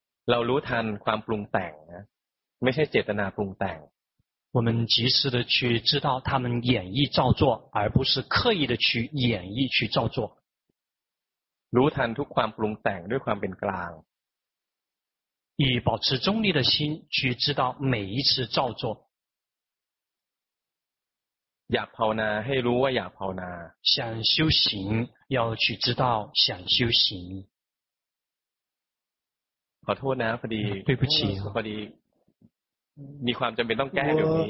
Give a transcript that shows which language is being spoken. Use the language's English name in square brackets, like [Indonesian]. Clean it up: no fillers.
[Thai] เรารู้ทันความปรุงแต่งนะไม่ใช่เจตนาปรุงแต่ง [Chinese] 我们及时的去知道他们演绎造作而不是刻意的去演绎去造作 [Thai] รู้ทันทุกความปรุงแต่งด้วยความเป็นกลาง [Chinese] 以保持中立的心去知道每一次造作。 [Thai] อยากภาวนา ให้รู้ว่าอยากภาวนา [Chinese] 想修行要去知道想修行。 [Thai] ขอโทษนะพอดี [Chinese] 对不起 [Thai] พอดีมีความจำเป็นต้องแก้เรื่องนี